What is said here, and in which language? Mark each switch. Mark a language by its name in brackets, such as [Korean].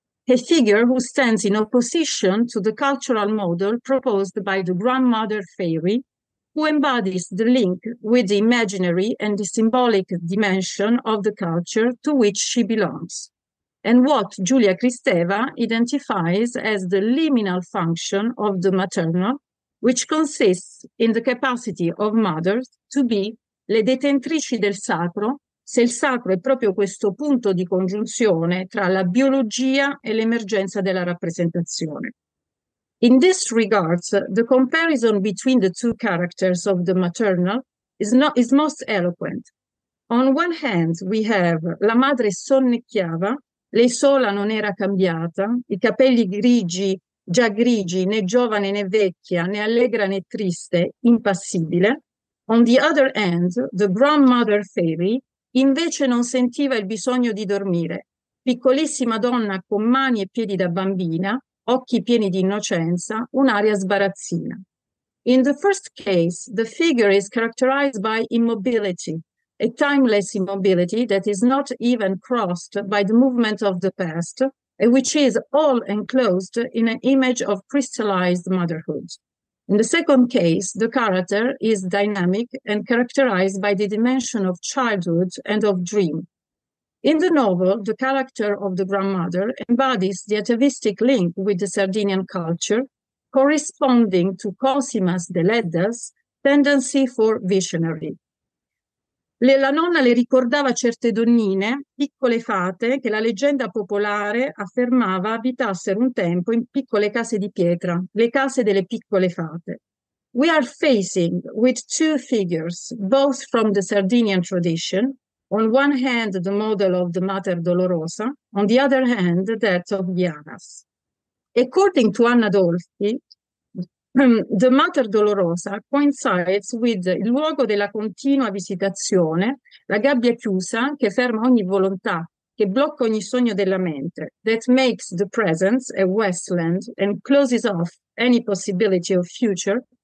[English] A figure who stands in opposition to the cultural model proposed by the grandmother fairy, who embodies the link with the imaginary and the symbolic dimension of the culture to which she belongs, and what Giulia Cristeva identifies as the liminal function of the maternal, which consists in the capacity of mothers to be [Italian] le detentrici del sacro. Se il sacro è proprio questo punto di congiunzione tra la biologia e l'emergenza della rappresentazione. [English] In this regard, the comparison between the two characters of the maternal is most eloquent. On one hand, we have [Italian] la madre sonnecchiava, lei sola non era cambiata, i capelli grigi, già grigi, né giovane né vecchia, né allegra né triste, impassibile. [English] On the other hand, the grandmother fairy [Italian] invece non sentiva il bisogno di dormire, piccolissima donna con mani e piedi da bambina, occhi pieni di innocenza, un'aria sbarazzina. [English] In the first case, the figure is characterized by immobility, a timeless immobility that is not even crossed by the movement of the past, and which is all enclosed in an image of crystallized motherhood. In the second case, the character is dynamic and characterized by the dimension of childhood and of dream. In the novel, the character of the grandmother embodies the atavistic link with the Sardinian culture, corresponding to Cosima's Deledda's tendency for visionary. [Italian] La nonna le ricordava certe donnine, piccole fate, che la leggenda popolare affermava abitassero un tempo in piccole case di pietra, le case delle piccole fate. [English] We are facing with two figures, both from the Sardinian tradition, on one hand the model of the Mater Dolorosa, on the other hand that of Janas. According to Anna Dolfi, the Mater Dolorosa coincides with [Italian] il luogo della continua visitazione, la gabbia chiusa che ferma ogni volontà, che blocca ogni sogno della mente, [English] that makes the presence a wasteland and closes off any possibility of future